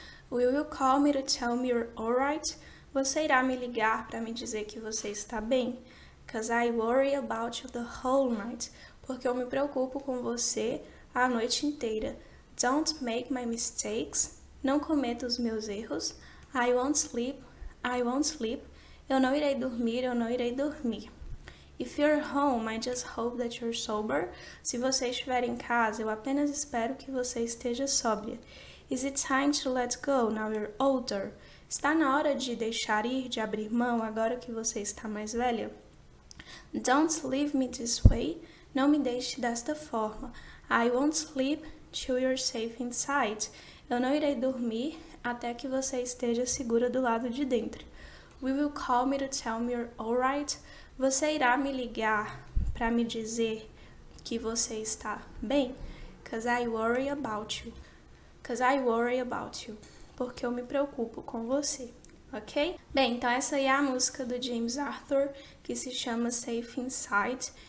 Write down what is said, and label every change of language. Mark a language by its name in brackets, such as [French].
[English] Will you call me to tell me you're alright? [Portuguese] Você irá me ligar para me dizer que você está bem? [English] 'Cause I worry about you the whole night. [Portuguese] Porque eu me preocupo com você a noite inteira. [English] Don't make my mistakes. [Portuguese] Não cometa os meus erros. [English] I won't sleep. I won't sleep. [Portuguese] Eu não irei dormir, eu não irei dormir. [English] If you're home, I just hope that you're sober. [Portuguese] Se você estiver em casa, eu apenas espero que você esteja sóbria. [English] Is it time to let go now you're older? [Portuguese] Está na hora de deixar ir, de abrir mão, agora que você está mais velha? [English] Don't leave me this way. [Portuguese] Não me deixe desta forma. [English] I won't sleep till you're safe inside. [Portuguese] Eu não irei dormir até que você esteja segura do lado de dentro. [English] Will you call me to tell me you're alright? [Portuguese] Você irá me ligar para me dizer que você está bem? [English] 'Cause I worry about you. 'Cause I worry about you. [Portuguese] Porque eu me preocupo com você, ok? Bem, então essa aí é a música do James Arthur, que se chama Safe Inside.